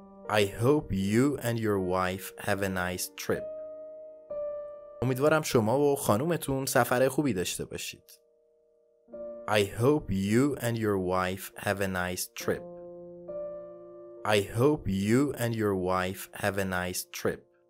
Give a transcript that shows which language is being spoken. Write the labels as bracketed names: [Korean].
[English] I hope you and your wife have a nice trip. [Persian] امیدوارم شما و خانومتون سفر خوبی داشته باشید. [English] I hope you and your wife have a nice trip. I hope you and your wife have a nice trip.